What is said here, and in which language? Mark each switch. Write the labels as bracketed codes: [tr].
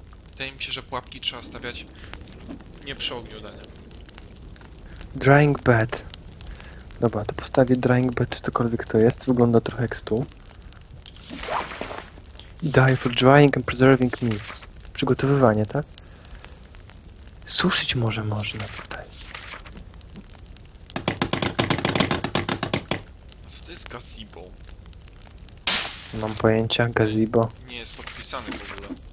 [pl] Wydaje mi się, że pułapki trzeba stawiać nie przy ogniu dania. [en] Drying bed. [pl] Dobra, to postawię drying bed, cokolwiek to jest. Wygląda trochę jak stół. [en] Die for drying and preserving meats. [pl] Przygotowywanie, tak? Suszyć może można tutaj. A co to jest gazebo? Nie mam pojęcia, gazebo. Nie jest podpisany w ogóle.